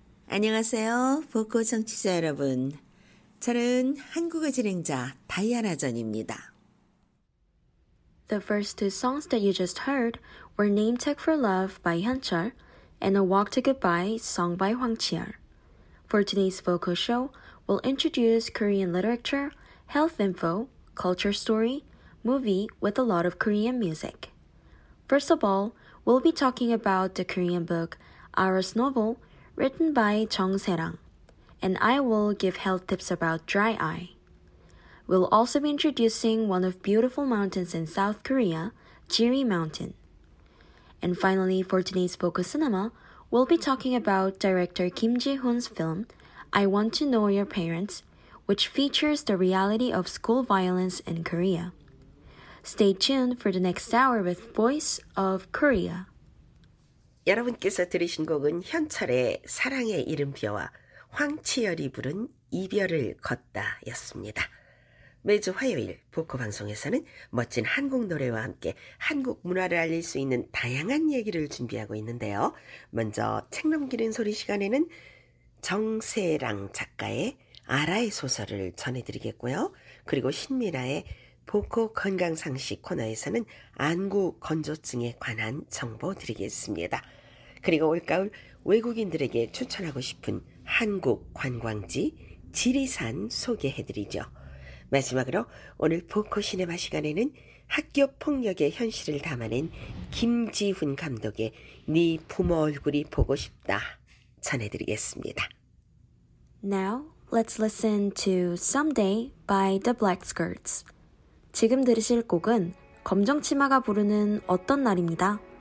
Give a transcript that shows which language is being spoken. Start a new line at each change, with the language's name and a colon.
Korean: 안녕하세요, 보코 청취자 여러분. 저는 한국어 진행자 다이아나 전입니다.
English: The first two songs that you just heard were Name Tag for Love by Hyunchul and A Walk to Goodbye song by Hwang Chi-yeol. For today's vocal show, we'll introduce Korean literature, health info, culture story, movie with a lot of Korean music. First of all, we'll be talking about the Korean book Iris Novel written by Jung Se-rang, and I will give health tips about dry eye. We'll also be introducing one of beautiful mountains in South Korea, Jiri Mountain. And finally, for today's focus cinema, we'll be talking about director Kim Ji-hoon's film I Want to Know Your Parents, which features the reality of school violence in Korea. Stay tuned for the next hour with Voice of Korea.
Korean: 여러분께서 들으신 곡은 현철의 사랑의 이름표와 황치열이 부른 이별을 걷다였습니다. 매주 화요일 보코 방송에서는 멋진 한국 노래와 함께 한국 문화를 알릴 수 있는 다양한 얘기를 준비하고 있는데요. 먼저 책 넘기는 소리 시간에는 정세랑 작가의 아라의 소설을 전해드리겠고요. 그리고 신미라의 보코 건강상식 코너에서는 안구 건조증에 관한 정보 드리겠습니다. 그리고 올가을 외국인들에게 추천하고 싶은 한국 관광지 지리산 소개해드리죠. 마지막으로 오늘 보코 시네마 시간에는 학교폭력의 현실을 담아낸 김지훈 감독의 네 부모 얼굴이 보고 싶다 전해드리겠습니다.
English: Now let's listen to Someday by The Blackskirts.
Korean: 지금 들으실 곡은 검정 치마가 부르는 어떤 날입니다.